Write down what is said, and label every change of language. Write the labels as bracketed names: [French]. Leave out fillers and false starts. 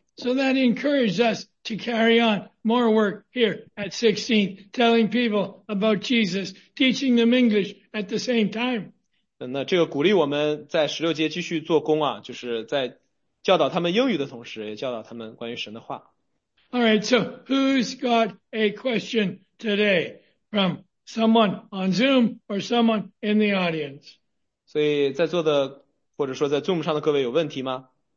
[English] So that encouraged us to carry on more work here at 16th, telling people about Jesus, teaching them English at the same time. [Chinese] 那这个鼓励我们在16街继续做工啊，就是在教导他们英语的同时，也教导他们关于神的话。 [English] All right, so who's got a question today from someone on Zoom or someone in the audience? [Chinese] 所以在座的，或者说在 Zoom 上的各位有问题吗？